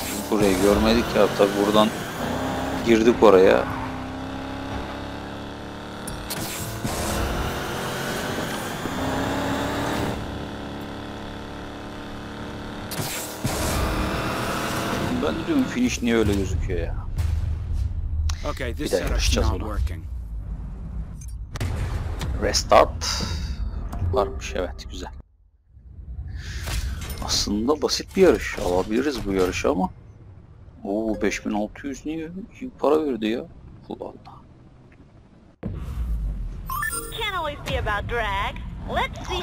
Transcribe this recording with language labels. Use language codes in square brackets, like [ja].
[tr] Burayı görmedik ya, tabi buradan girdik oraya. Ben diyorum finish niye öyle gözüküyor ya? [en] Okay, this setup's not working. [tr] Restart varmış, evet, güzel. Aslında basit bir yarış, alabiliriz bu yarışı ama. Oo, 5600 niye para verdi ya? Allah.